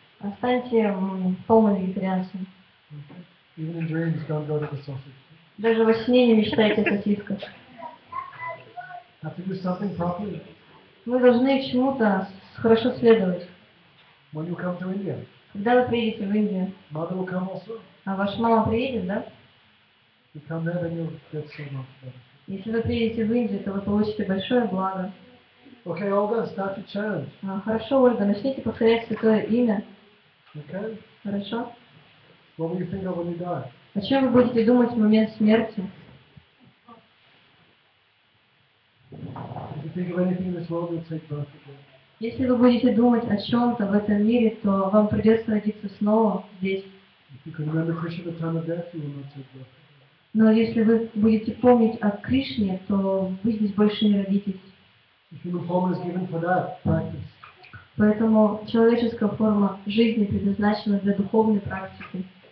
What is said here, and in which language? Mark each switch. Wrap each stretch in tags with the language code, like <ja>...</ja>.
<ru>Останьте полным вегетарианцем.</ru> <en>Even in dreams, don't go to the sausage.</en> <ru>Даже во сне не мечтайте о сосисках.</ru> <en>Have to do something properly.</en> <ru>Мы должны чему-то хорошо следовать.</ru> <en>When you come to India.</en> <ru>Когда вы приедете в Индию?</ru> <en>Mother will come also.</en> <ru>А ваша мама приедет, да?</ru> <en>You come there, then you'll get so much better.</en> <ru>Если вы приедете в Индию, то вы получите большое благо.</ru> <en>Okay, Olga, start your challenge.</en> <ru>Хорошо, Ольга, начните повторять святое имя.</ru> <en>Okay.</en> <ru>Хорошо.</ru> <en>What will you think of when you die?</en> <ru>О чем вы будете думать в момент смерти?</ru> <en>If you think of anything in this world, you'll take birth again.</en> <ru>Если вы будете думать о чем-то в этом мире, то вам придется родиться снова здесь.</ru> <en>If you can remember Krishna at the time of death, you will not take birth again.</en> <ru>Но если вы будете помнить о Кришне, то вы здесь больше не родитесь.</ru> <en>If human form is given for that, practice.</en> <ru>Поэтому человеческая форма жизни предназначена для духовной практики.</ru>